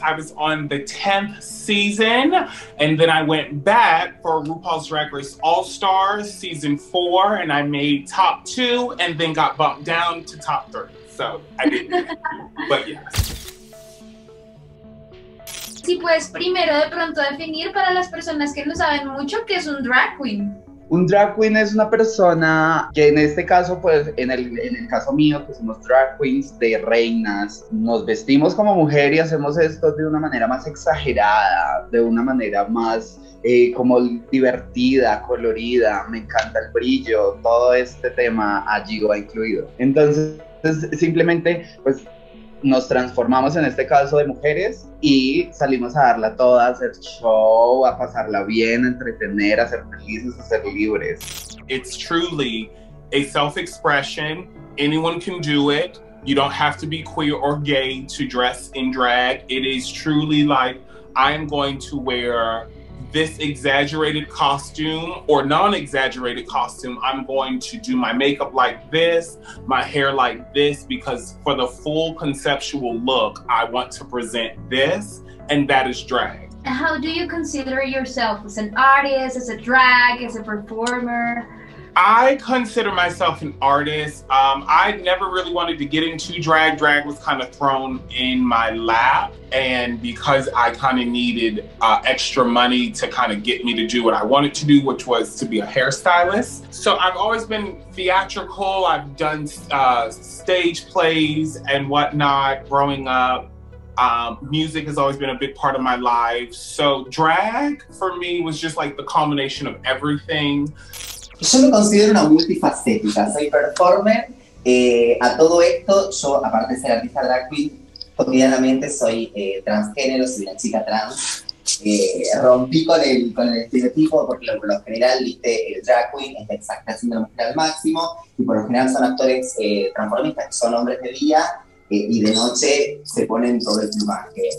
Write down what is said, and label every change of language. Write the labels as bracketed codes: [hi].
[en] I was on the 10th season, and then I went back for RuPaul's Drag Race All-Stars season 4, and I made top 2, and then got bumped down to top 3. So, I did but yes. [es] Sí, pues, primero de pronto definir para las personas que no saben mucho qué es un drag queen. Un drag queen es una persona que en este caso, pues en el caso mío, que somos drag queens de reinas, nos vestimos como mujer y hacemos esto de una manera más exagerada, de una manera más como divertida, colorida, me encanta el brillo, todo este tema allí va incluido. Entonces simplemente pues nos transformamos en este caso de mujeres y salimos a darla toda, a hacer show, a pasarla bien, a entretener, a ser felices, a ser libres. [en] It's truly a self-expression. Anyone can do it. You don't have to be queer or gay to dress in drag. It is truly like I am going to wear this exaggerated costume or non-exaggerated costume. I'm going to do my makeup like this, my hair like this, because for the full conceptual look, I want to present this, and that is drag. How do you consider yourself as an artist, as a drag, as a performer? I consider myself an artist. I never really wanted to get into drag. Drag was kind of thrown in my lap. And because I kind of needed extra money to kind of get me to do what I wanted to do, which was to be a hairstylist. So I've always been theatrical. I've done stage plays and whatnot growing up. Music has always been a big part of my life. So drag for me was just like the culmination of everything. [es] Yo me considero una multifacética, soy performer, a todo esto, yo aparte de ser artista drag queen, cotidianamente soy transgénero, soy una chica trans, rompí con el estereotipo porque lo general, viste, el drag queen es la exaltación de la mujer al máximo, y por lo general son actores transformistas, que son hombres de día, y de noche se ponen todo el plumaje.